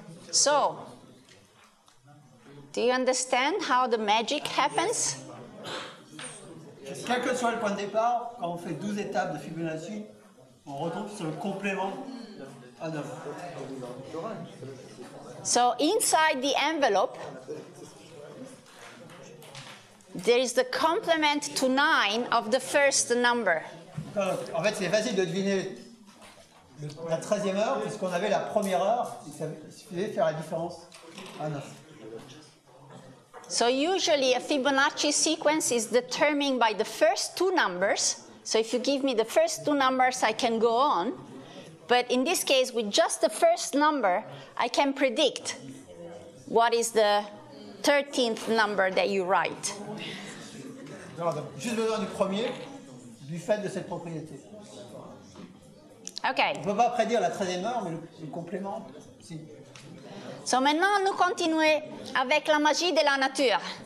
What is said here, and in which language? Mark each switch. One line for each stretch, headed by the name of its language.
English: So, do you understand how the magic happens?
French: Quel que soit le point de départ, quand on fait 12 étapes de Fibonacci, on retrouve sur le complément à 9.
English: So, inside the envelope, there is the complement to 9 of the first number.
French: En fait, c'est facile de deviner la 13e heure, puisqu'on avait la première heure, et ça suffisait de faire la différence. Ah non.
English: So usually a Fibonacci sequence is determined by the first two numbers. So if you give me the first two numbers, I can go on. But in this case, with just the first number, I can predict what is the 13th number that you write.
French: Juste besoin du premier, du fait de cette propriété. OK. On ne peut pas prédire la 13e heure, mais le complément, si. So maintenant, nous continuons avec la magie de la nature.